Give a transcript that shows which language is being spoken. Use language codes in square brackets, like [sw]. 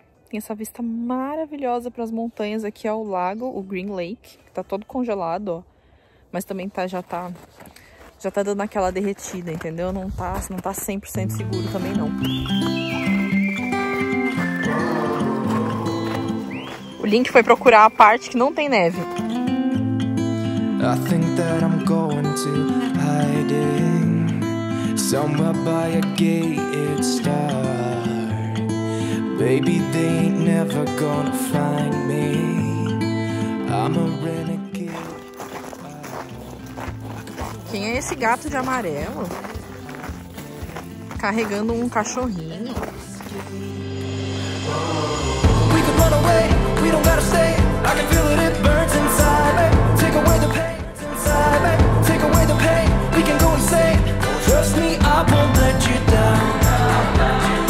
[pt] Tem essa vista maravilhosa pras montanhas aqui ao lago, o Green Lake, que tá todo congelado, ó. Mas também tá, já tá dando aquela derretida, entendeu? Não tá 100% seguro também, não. O Link foi procurar a parte que não tem neve. [en] I think that I'm going to hide in somewhere by a gated star. Baby, they ain't never gonna find me. I'm a renegade. [pt] Quem é esse gato de amarelo? Carregando um cachorrinho. [en] We can run away, we don't gotta stay. I can feel it, it burns inside me. Take away the pain. Take away the pain, we can go insane. Trust me, I won't let you down.